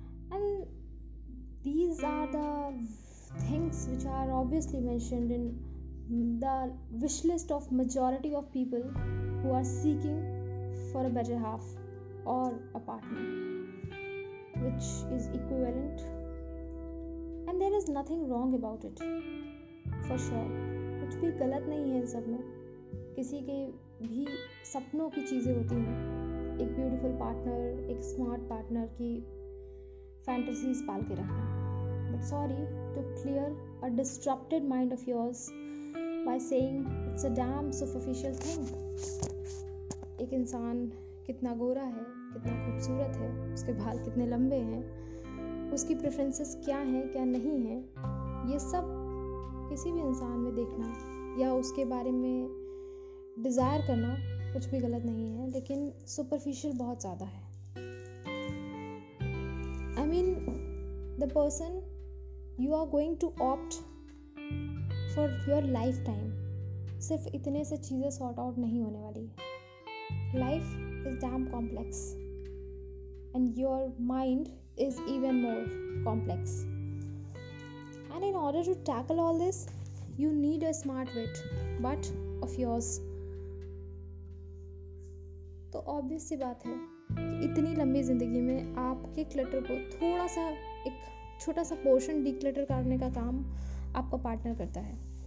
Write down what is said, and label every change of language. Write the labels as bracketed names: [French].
[English] And these are the things which are obviously mentioned in the wish list of majority of people who are seeking for a better half or a partner, which is equivalent. And there is nothing wrong about it, for sure. [Hindi] कुछ भी गलत नहीं है इन सब में. किसी के भी सपनों की चीज़ें होती हैं, एक ब्यूटीफुल पार्टनर, एक स्मार्ट पार्टनर की फैंटसीज पाल के रखना. [English] But sorry to clear a disrupted mind of yours by saying it's a damn superficial thing. [Hindi] एक इंसान कितना गोरा है, कितना खूबसूरत है, उसके बाल कितने लंबे हैं, उसकी प्रेफरेंसेस क्या हैं क्या नहीं हैं, ये सब किसी भी इंसान में देखना या उसके बारे में डिज़ायर करना कुछ भी गलत नहीं है, लेकिन सुपरफिशियल बहुत ज़्यादा है. [English] I mean the person you are going to opt for your lifetime [Hindi] सिर्फ इतने से चीज़ें सॉर्ट आउट नहीं होने वाली. [English] Life is damn complex and your mind is even more complex. And in order to tackle all this, you need a smart wit, but of yours. [Hindi] तो obvious सी बात है कि इतनी लंबी जिंदगी में आपके clutter को थोड़ा सा, एक छोटा सा portion declutter करने का काम आपका partner करता है.